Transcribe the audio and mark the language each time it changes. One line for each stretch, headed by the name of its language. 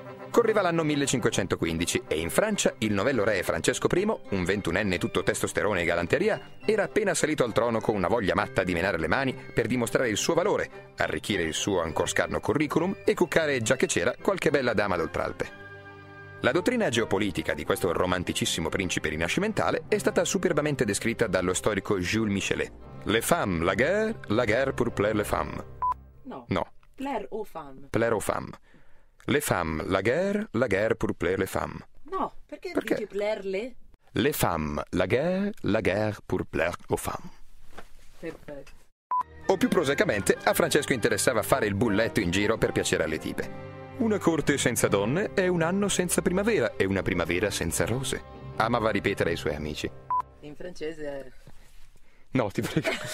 Italian: Correva l'anno 1515 e in Francia il novello re Francesco I, un 21enne tutto testosterone e galanteria, era appena salito al trono con una voglia matta di menare le mani per dimostrare il suo valore, arricchire il suo ancor scarno curriculum e cuccare, già che c'era, qualche bella dama d'Oltralpe. La dottrina geopolitica di questo romanticissimo principe rinascimentale è stata superbamente descritta dallo storico Jules Michelet.
French: Les femmes, la guerre pour plaire les femmes. No. Plaire aux femmes. Plaire aux femmes. Les femmes, la guerre pour plaire les femmes.
Italian: No, perché dici
French: plaire les? Les femmes, la guerre pour plaire aux femmes.
Italian: Perfetto. O più prosaicamente, a Francesco interessava fare il bulletto in giro per piacere alle tipe. Una corte senza donne è un anno senza primavera e una primavera senza rose. Amava ripetere ai suoi amici. In francese è... No, ti prego.